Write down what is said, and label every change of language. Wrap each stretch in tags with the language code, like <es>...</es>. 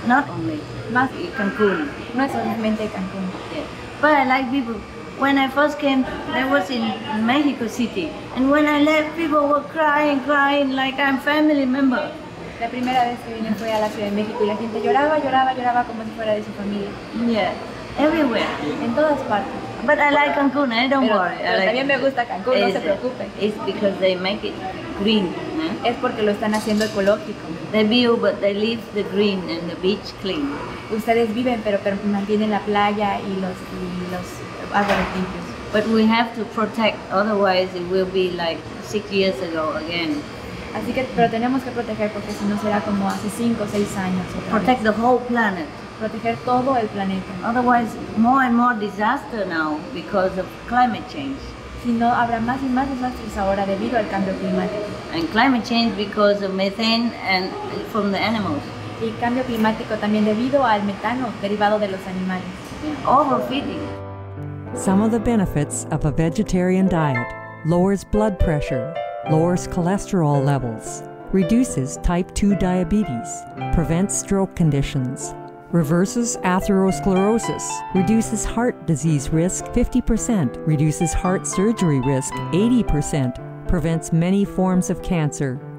<en>Not only</en> <es>más Cancún. No es solamente Cancún. Yeah.</es> <en>But I like people. When I first came, I was in Mexico City. And when I left, people were crying like I'm family member.</en> <es>La primera vez que vine fue a la Ciudad de México y la gente lloraba como si fuera de su familia.</es> <en>Yeah, everywhere.</en> <es>En todas partes.</es> <en>But I like Cancun, eh? Don't</en> <es>pero,</es> <en>worry.</en> <es>Pero también me gusta Cancun, no se preocupe.</es> <en>It's because they make it green. Eh?</en> <es>Es porque lo están haciendo ecológico.</es> <en>They view, but they leave the green and the beach clean.</en> <es>Ustedes viven, pero mantienen la playa y los árboles limpios.</es> <en>But we have to protect, otherwise it will be like 6 years ago again.</en> <es>Así que, pero tenemos que proteger porque si no será como hace 5 o 6 años.</es> <en>Protect the whole planet.</en> <es>Proteger todo el planeta.</es> <en>Otherwise, more and more disaster now because of climate change.</en> <es>Si no, habrá más y más desastres ahora debido al cambio climático.</es> <en>And climate change because of methane and from the animals.</en> <es>Y cambio climático también debido al metano derivado de los animales.</es> <en>Overfeeding. Some of the benefits of a vegetarian diet: lowers blood pressure, lowers cholesterol levels, reduces type 2 diabetes, prevents stroke conditions, reverses atherosclerosis, reduces heart disease risk 50%, reduces heart surgery risk 80%, prevents many forms of cancer,</en>